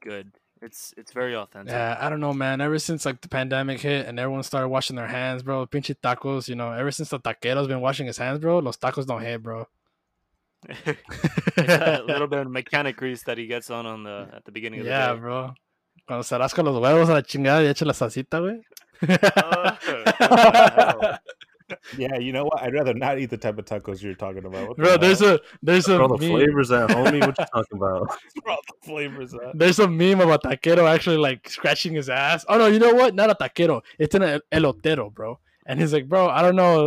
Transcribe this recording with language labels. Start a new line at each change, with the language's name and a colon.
English: Good. It's very authentic. Yeah, I don't know, man. Ever since like the pandemic hit and everyone started washing their hands, bro,
Spanish: pinche tacos,
English: you know, ever since the taquero's been washing his hands, bro,
Spanish: los tacos
English: don't hit, bro. A little bit of mechanic grease that he gets on the at the beginning of the day. Yeah, bro.
Spanish: Cuando se rasca los huevos a la chingada y echa la salsita, güey.
English: Yeah, you know what? I'd rather not eat the type of tacos you're talking about. What bro, there's a all the meme. Flavors at, homie. What you talking about? All the flavors at. There's a meme about taquero actually like scratching his ass. Oh no, you know what? Not a taquero. It's an elotero, bro. And he's like, bro, I don't know.